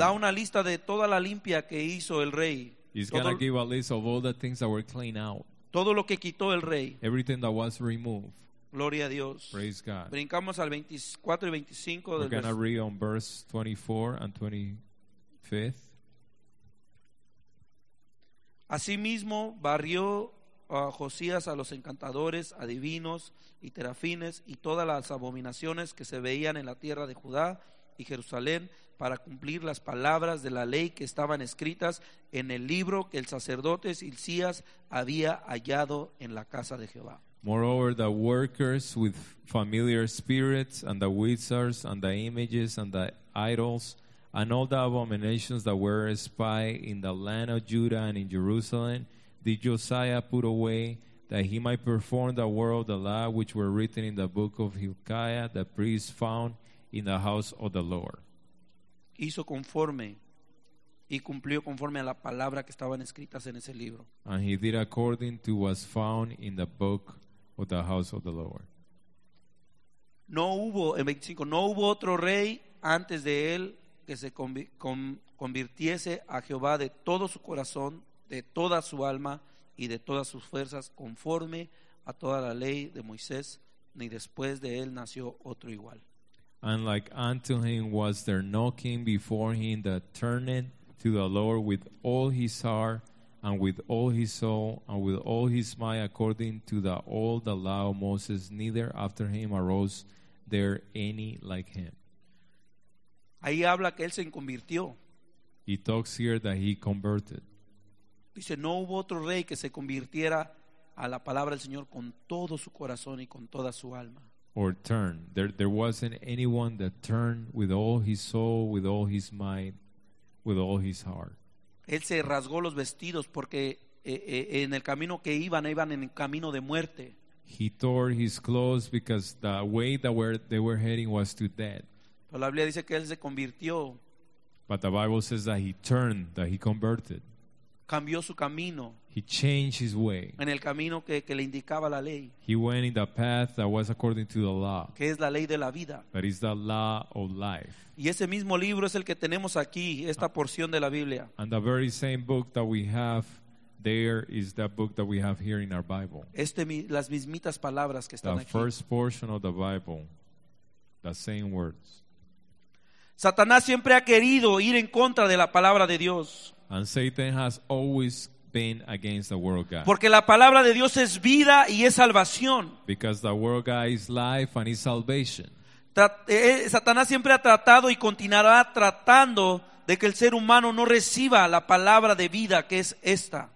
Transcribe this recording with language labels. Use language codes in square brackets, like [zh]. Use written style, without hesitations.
[es] da una lista de toda la limpia que hizo el rey. [en] He's going to give a list of all the things that were cleaned out. [es] Todo lo que quitó el rey. [en] Everything that was removed. [es] Gloria a Dios. [en] Praise God. [es] Brincamos al 24 y 25. [en] We're going to read on verse 24 and 25. [es] Asimismo, barrió Josías a los encantadores, adivinos y terafines y todas las abominaciones que se veían en la tierra de Judá y Jerusalén para cumplir las palabras de la ley que estaban escritas en el libro que el sacerdote Hilcías había hallado en la casa de Jehová. [en] Moreover, the workers with familiar spirits and the wizards and the images and the idols and all the abominations that were spied in the land of Judah and in Jerusalem did Josiah put away that he might perform the word of the law which were written in the book of Hilkiah, the priest found in the house of the Lord. [es] Hizo conforme y cumplió conforme a la palabra que estaban escritas en ese libro. [en] And he did according to what was found in the book of the house of the Lord. [es] No hubo, en 25, no hubo otro rey antes de él que se convirtiese a Jehová de todo su corazón, de toda su alma y de todas sus fuerzas conforme a toda la ley de Moisés, ni después de él nació otro igual. [en] And like unto him was there no king before him that turned to the Lord with all his heart and with all his soul and with all his might according to the all the law of Moses, neither after him arose there any like him. [es] Ahí habla que él se convirtió. [en] He talks here that he converted. [es] Dice, no hubo otro rey que se convirtiera a la palabra del Señor con todo su corazón y con toda su alma. [en] Or turn. There wasn't anyone that turned with all his soul, with all his might, with all his heart. [es] Él se rasgó los vestidos porque en el camino que iban en el camino de muerte. [en] He tore his clothes because the way that they were heading was to death. [es] Pero la Biblia dice que él se convirtió. [en] But the Bible says that he turned, that he converted. [es] Cambió su camino. [en] He changed his way. [es] En el camino que le indicaba la ley. [en] He went in the path that was according to the law. [es] Que es la ley de la vida. [en] That is the law of life. [es] Y ese mismo libro es el que tenemos aquí, esta porción de la Biblia. [en] And the very same book that we have there is that book that we have here in our Bible. [es] Las mismitas palabras que están aquí. [en] The first portion of the Bible, the same words. [es] Satanás siempre ha querido ir en contra de la palabra de Dios. [en] And Satan has always been against the word of God. [es] Porque la palabra de Dios es vida y es salvación. [en] Because the word of God is life and is salvation. [es] Satanás siempre ha tratado y continuará tratando de que el ser humano no reciba la palabra de vida que es esta.